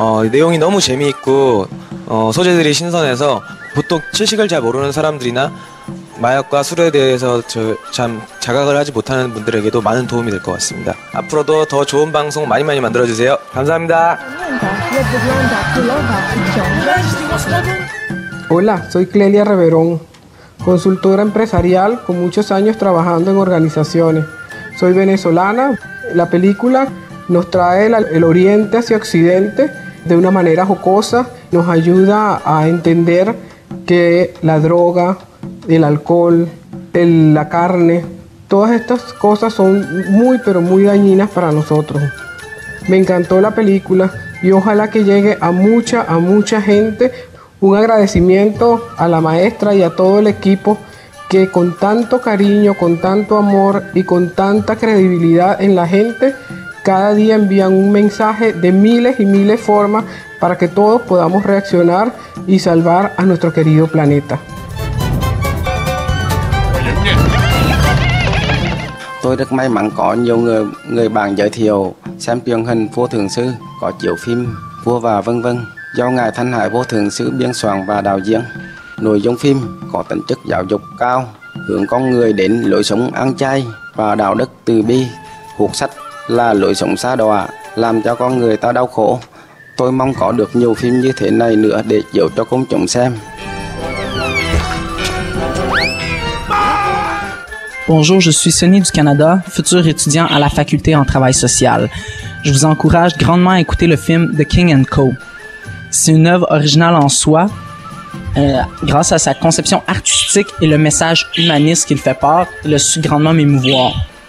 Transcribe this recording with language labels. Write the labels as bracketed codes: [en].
[ko] 내용이 너무 재미있고 소재들이 신선해서 보통 채식을 잘 모르는 사람들이나 마약과 술에 대해서 참 자각을 하지 못하는 분들에게도 많은 도움이 될 것 같습니다. 앞으로도 더 좋은 방송 많이 많이 만들어주세요. 감사합니다. [es] Hola, soy Clelia Reverón, consultora empresarial con muchos años trabajando en organizaciones. Soy venezolana. La película nos trae el oriente hacia occidente de una manera jocosa. Nos ayuda a entender que la droga, el alcohol, la carne, todas estas cosas son muy, pero muy dañinas para nosotros. Me encantó la película y ojalá que llegue a mucha gente. Un agradecimiento a la maestra y a todo el equipo que con tanto cariño, con tanto amor y con tanta credibilidad en la gente, cada día envían un mensaje de miles y miles de formas para que todos podamos reaccionar y salvar a nuestro querido planeta. [vi] Tôi rất may mắn có nhiều người bạn giới thiệu xem truyền hình Vua Thượng Sư, có chiếu phim Vua và vân vân. Do Ngài Thanh Hải Vô Thượng Sư biên soạn và đạo diễn, nội dung phim có tính chất giáo dục cao, hướng con người đến lối sống ăn chay và đạo đức từ bi. Cuốn sách là lối sống xa đọa, làm cho con người ta đau khổ. Tôi mong có được nhiều phim như thế này nữa để chiếu cho công chúng xem. [fr] Bonjour, je suis Sonny du Canada, futur étudiant à la faculté en travail social. Je vous encourage grandement à écouter le film The King and Co. C'est une œuvre originale en soi, grâce à sa conception artistique et le message humaniste qu'il fait part, il a su grandement m'émouvoir.